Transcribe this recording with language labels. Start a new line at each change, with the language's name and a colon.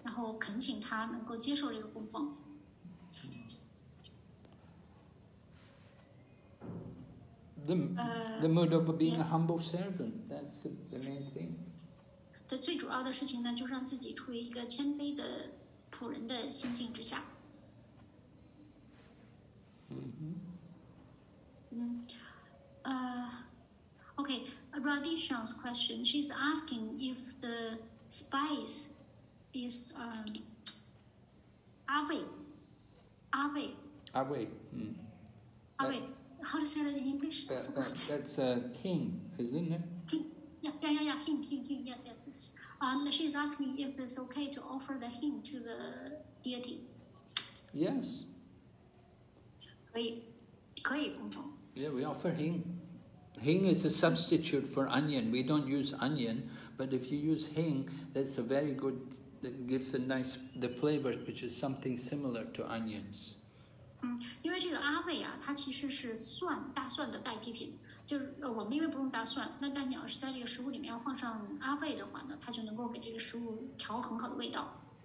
Chinese: 那最好的这种知觉呢，就是我，承认我是Sri Krishna的仆人的这样的心态，然后呢，我是为他在做这个供奉，然后恳请他能够接受这个供奉。
English: The mood of being a humble servant, that's the main thing.
Chinese: 最主要的事情呢，就是让自己处于一个谦卑的仆人的心境之下。
English: Okay, Radisha's question. She's asking if the spice is Ave. Ave. How to say that in English? That's a king, isn't it? King. Yes. She's asking if it's okay to offer the king to the deity. Yes.
Chinese: 可以,
English: yeah, we offer hing. Hing is a substitute for onion. We don't use onion, but if you use hing, that's a very good, that gives a nice, the flavor, which is something similar to onions.
Chinese: 因为这个阿魏啊，它其实是蒜，大蒜的代替品，就是我们因为不用大蒜，那但你要是在这个食物里面要放上阿魏的话呢，它就能够给这个食物调很好的味道。